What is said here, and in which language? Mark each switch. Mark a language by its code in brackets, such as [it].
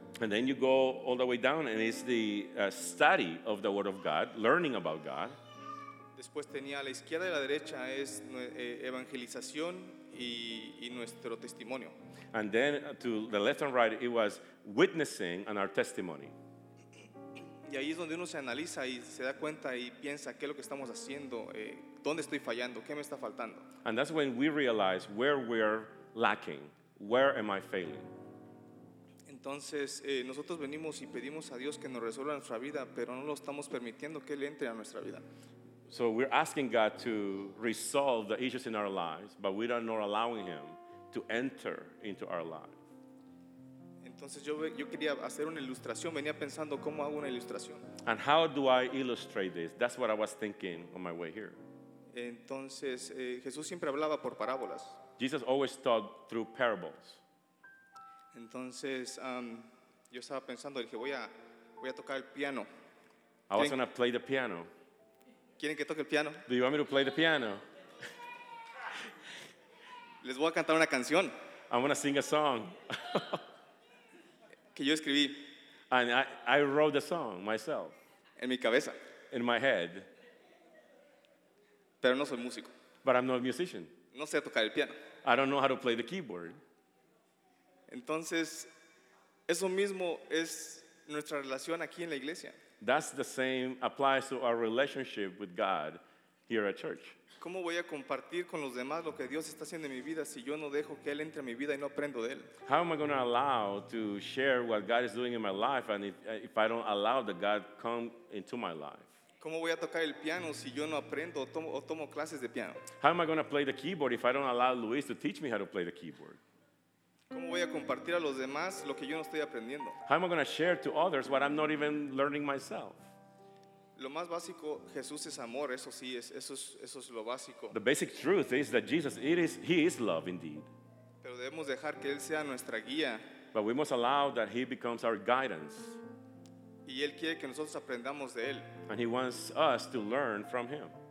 [en] And then you go all the way down, and it's the study of the Word of God, learning about God. [es] Después tenía a la izquierda y a la derecha es evangelización y nuestro testimonio. [en] And then to the left and right, it was witnessing and our testimony. [es] Y ahí es donde uno se analiza y se da cuenta y piensa qué es lo que estamos haciendo, dónde estoy fallando, qué me está faltando. [en] And that's when we realize where we're lacking, where am I failing. [es] Entonces nosotros venimos y pedimos a Dios que nos resuelva nuestra vida, pero no lo estamos permitiendo que Él entre a nuestra vida. [en] So we're asking God to resolve the issues in our lives, but we are not allowing Him to enter into our lives. [es] Entonces yo quería hacer una ilustración, venía pensando cómo hago una ilustración. [en] And how do I illustrate this? That's what I was thinking on my way here. [es] Entonces Jesús siempre hablaba por parábolas. [en] Jesus always taught through parables. [es] Entonces yo estaba pensando, dije, voy a tocar el piano. [en] I was going to play the piano. [es] ¿Quieren que toque el piano? [en] Do you want me to play the piano? [es] Les voy a cantar una canción. [en] I'm going to sing a song. [es] Que yo escribí. [en] And I wrote the song myself. [es] En mi cabeza. [en] In my head. [es] Pero no soy músico. [en] But I'm not a musician. [es] No sé tocar el piano. [en] I don't know how to play the keyboard. [es] Entonces, eso mismo es nuestra relación aquí en la iglesia. [en] That's the same applies to our relationship with God here at church. [es] ¿Cómo voy a compartir con los demás lo que Dios está haciendo en mi vida si yo no dejo que Él entre a mi vida y no aprendo de Él? [en] How am I going to allow to share what God is doing in my life and if I don't allow that God come into my life? [es] ¿Cómo voy a tocar el piano si yo no aprendo o tomo clases de piano? [en] How am I going to play the keyboard if I don't allow Luis to teach me how to play the keyboard? [es] ¿Cómo voy a compartir a los demás lo que yo no estoy aprendiendo? [en] How am I going to share to others what I'm not even learning myself? [es] Lo más básico, Jesús es amor, eso sí, eso es lo básico. [en] The basic truth is that Jesus, he is love indeed. [es] Pero debemos dejar que Él sea nuestra guía. [en] But we must allow that He becomes our guidance. [es] Y Él quiere que nosotros aprendamos de Él. [en] And He wants us to learn from Him.